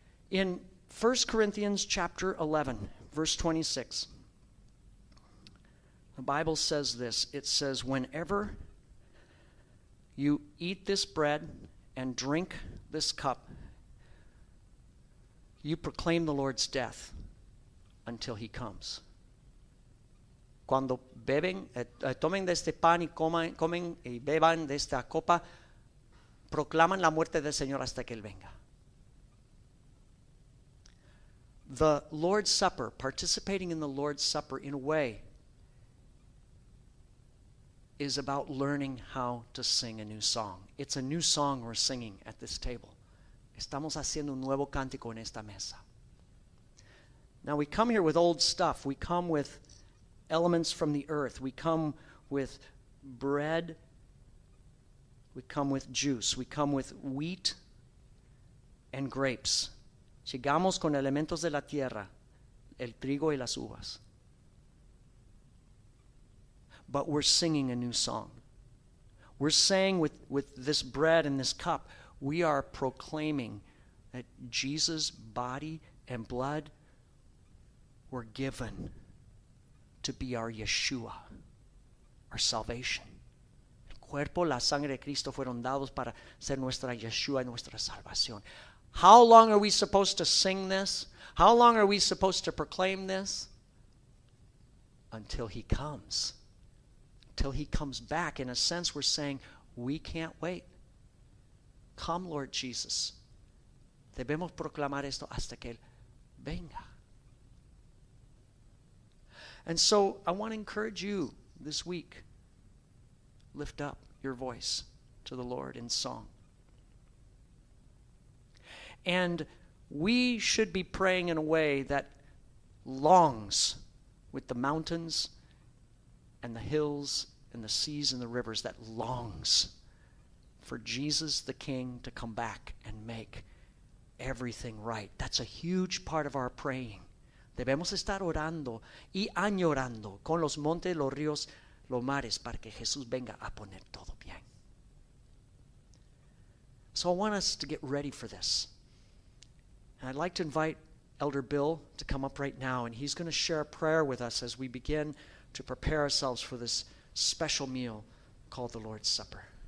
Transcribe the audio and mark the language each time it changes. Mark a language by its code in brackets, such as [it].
[en] In 1 Corinthians chapter 11, verse 26, the Bible says this. It says, whenever you eat this bread and drink this cup, you proclaim the Lord's death until he comes. [es] Cuando beben, tomen de este pan y comen y beban de esta copa, proclaman la muerte del Señor hasta que él venga. [en] The Lord's Supper, participating in the Lord's Supper in a way, is about learning how to sing a new song. It's a new song we're singing at this table. [es] Estamos haciendo un nuevo cántico en esta mesa. [en] Now we come here with old stuff. We come with elements from the earth. We come with bread. We come with juice. We come with wheat and grapes. [es] Llegamos con elementos de la tierra, el trigo y las uvas. [en] But we're singing a new song. We're saying with this bread and this cup, we are proclaiming that Jesus' body and blood were given to be our Yeshua, our salvation. [es] cuerpo, la sangre de Cristo fueron dados para ser nuestra Yeshua y nuestra salvación. [en] How long are we supposed to sing this? How long are we supposed to proclaim this? Until he comes. Until he comes back. In a sense, we're saying, we can't wait. Come, Lord Jesus. [es] Debemos proclamar esto hasta que él venga. [en] And so I want to encourage you this week, lift up your voice to the Lord in song. And we should be praying in a way that longs with the mountains and the hills and the seas and the rivers, that longs for Jesus the King to come back and make everything right. That's a huge part of our praying. [es] Debemos estar orando y añorando con los montes, los ríos, los mares para que Jesús venga a poner todo bien. [en] So I want us to get ready for this. And I'd like to invite Elder Bill to come up right now, and he's going to share a prayer with us as we begin to prepare ourselves for this special meal called the Lord's Supper.